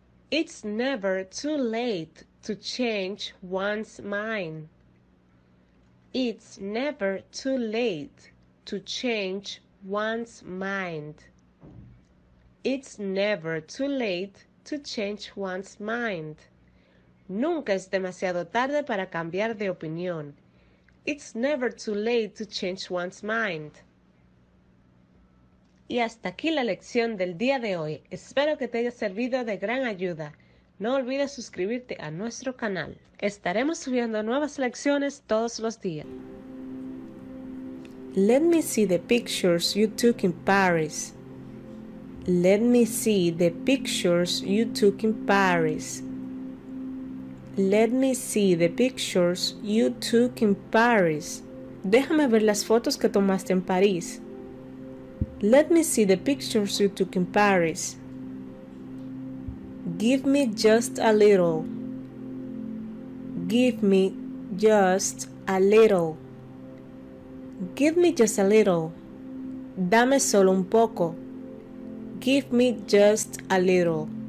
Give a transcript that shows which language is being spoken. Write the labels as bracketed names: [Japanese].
[English] It's never too late to change one's mind. It's never too late to change one's mind. It's never too late to change one's mind. [Spanish] Nunca es demasiado tarde para cambiar de opinión. [English] It's never too late to change one's mind. [Spanish] Y hasta aquí la lección del día de hoy. Espero que te haya servido de gran ayuda. No olvides suscribirte a nuestro canal. Estaremos subiendo nuevas lecciones todos los días. [English] Let me see the pictures you took in Paris. Let me see the pictures you took in Paris. Let me see the pictures you took in Paris. [Spanish] Déjame ver las fotos que tomaste en París. [English] Let me see the pictures you took in Paris. Give me just a little. Give me just a little. Give me just a little. [Spanish] Dame solo un poco. [English] Give me just a little.